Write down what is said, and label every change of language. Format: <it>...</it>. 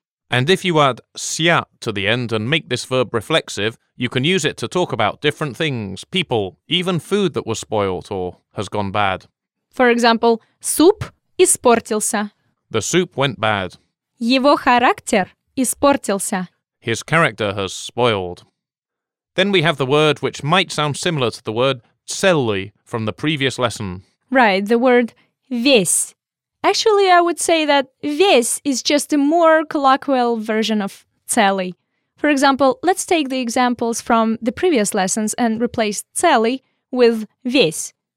<en>And if you add ся to the end and make this verb reflexive, you can use it to talk about different things, people, even food that was spoilt or has gone bad. For example,</en> <ru>суп испортился.</ru> <en>The soup went bad.</en> <ru>Его характер испортился.</ru> <en>His character has spoiled. Then we have the word which might sound similar to the word целый from the previous lesson. Right, the word весь. Actually, I would say that весь is just a more colloquial version of целый. For example, let's take the examples from the previous lessons and replace целый with весь.</en>